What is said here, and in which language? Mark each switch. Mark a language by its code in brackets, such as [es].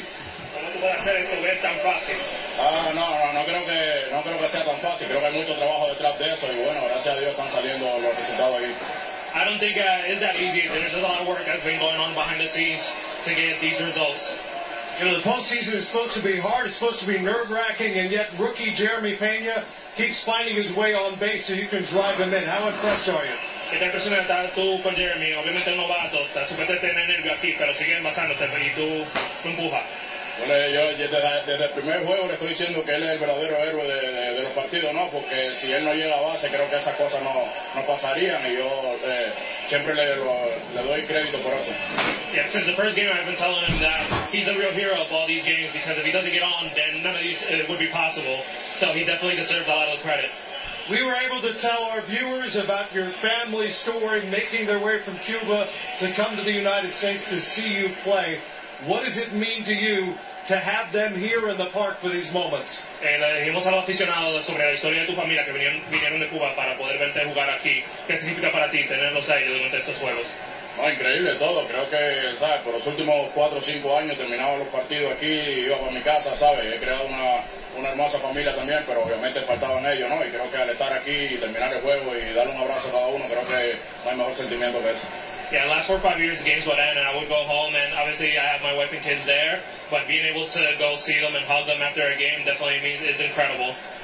[en] I don't think it's that easy. There's just a lot of work that's been going on behind the scenes to get these results. You know, the postseason is supposed to be hard. It's supposed to be nerve-wracking, and yet rookie Jeremy Peña keeps finding his way on base so you can drive him in. How impressed are you? [es] Está impresionado estar tú con Jeremy. Obviamente el novato, está supuesto tener nervios aquí, pero siguen basándose y tú empujas. Bueno, yo desde el primer juego le estoy diciendo que él es el verdadero héroe de los partidos, ¿no? Porque si él no llega a base, creo que esas cosas no pasarían, y yo siempre le doy crédito por eso. [en] Yeah, since the first game I've been telling him that he's the real hero of all these games, because if he doesn't get on, then none of these would be possible. So he definitely deserves a lot of credit. We were able to tell our viewers about your family story, making their way from Cuba to come to the United States to see you play. What does it mean to you to have them here in the park for these moments? [es] Le dijimos a los aficionados sobre la historia de tu familia que vinieron de Cuba para poder verte jugar aquí. ¿Qué significa para ti tenerlos ahí durante estos juegos? No, increíble todo. Creo que, ¿sabes? Por los últimos 4 o 5 años terminaba los partidos aquí, iba para mi casa, ¿sabes? He creado una hermosa familia también, pero obviamente faltaban ellos, ¿no? Y creo que al estar aquí y terminar el juego y dar un abrazo a cada uno, creo que no hay mejor sentimiento que ese. [en] Yeah, last 4 or 5 years, the games would end, and I would go home, and obviously I have my wife and kids there, but being able to go see them and hug them after a game definitely means is incredible.